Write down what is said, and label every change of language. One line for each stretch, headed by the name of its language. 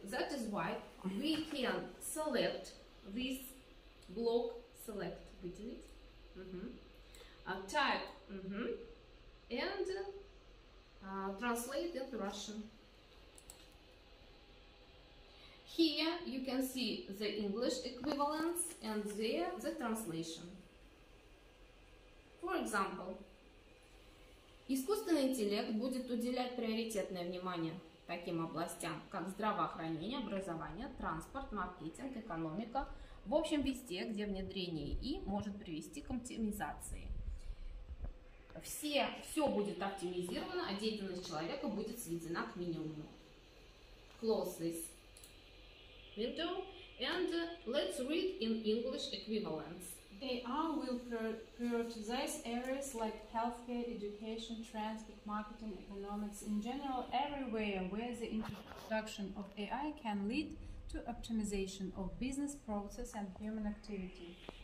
English: That is why we can select this block, select, we delete, type, and translate into Russian. Here you can see the English equivalents and there the translation. For example,
Russian: искусственный интеллект будет уделять приоритетное внимание таким областям, как здравоохранение, образование, транспорт, маркетинг, экономика. В общем, везде, где внедрение ИИ может привести к оптимизации. Все будет оптимизировано, а деятельность человека будет сведена к минимуму.
English: Close this window and let's read in English equivalents. AI will prioritize areas like healthcare, education, transport, marketing, economics, in general, everywhere where the introduction of AI can lead to optimization of business process and human activity.